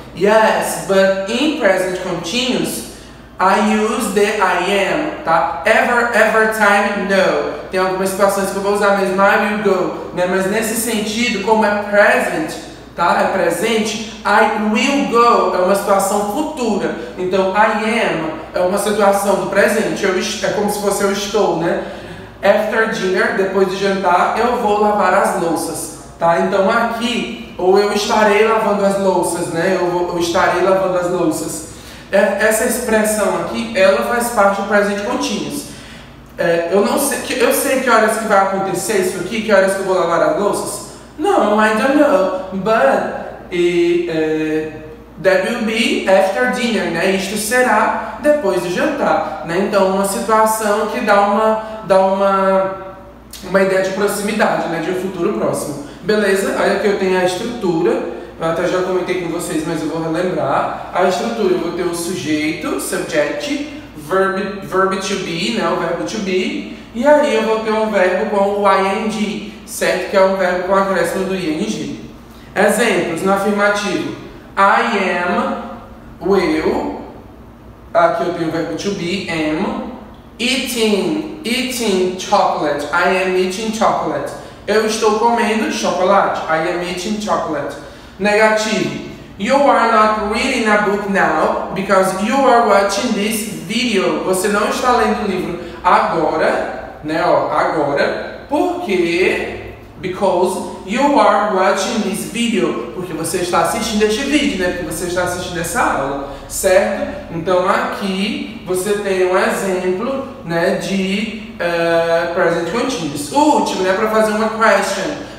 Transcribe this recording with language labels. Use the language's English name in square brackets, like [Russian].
[English] Yes, but in present continuous, I use the I am, tá? Every time, no. [Portuguese] Tem algumas situações que eu vou usar mesmo, [English] I will go, [Portuguese] né? Mas nesse sentido, como é present, tá? É presente, [English] I will go [Portuguese] é uma situação futura. Então, I am é uma situação do presente, é como se fosse eu estou, né? [English] After dinner, [Portuguese] depois de jantar, eu vou lavar as louças, tá? Então, aqui, ou eu estarei lavando as louças, né? Eu estarei lavando as louças. Essa expressão aqui, ela faz parte do present continuous. Eu não sei, eu sei que horas que vai acontecer isso aqui, que horas que eu vou lavar as louças? [English] Não, I don't know, but that will be after dinner, né? [Portuguese] Isto será depois do jantar, né? Então, uma situação que dá uma ideia de proximidade, né? De um futuro próximo. Beleza? Aí aqui eu tenho a estrutura. Eu até já comentei com vocês, mas eu vou relembrar. A estrutura, eu vou ter o sujeito, subject, verb to be, né, o verbo to be. E aí eu vou ter um verbo com o ing, certo? Que é um verbo com acréscimo do ing. Exemplos, no afirmativo. I am, will, aqui eu tenho o verbo to be, am, [English] eating chocolate. I am eating chocolate. [Portuguese] Eu estou comendo chocolate. [English] I am eating chocolate. Negativo. You are not reading a book now because you are watching this video. [Portuguese] Você não está lendo o livro agora, né? Ó, agora. Porque, [English] because you are watching this video. [Portuguese] Porque você está assistindo este vídeo, né? Porque você está assistindo essa aula, certo? Então aqui você tem um exemplo, né? De present continuous. O último, né? Para fazer uma question.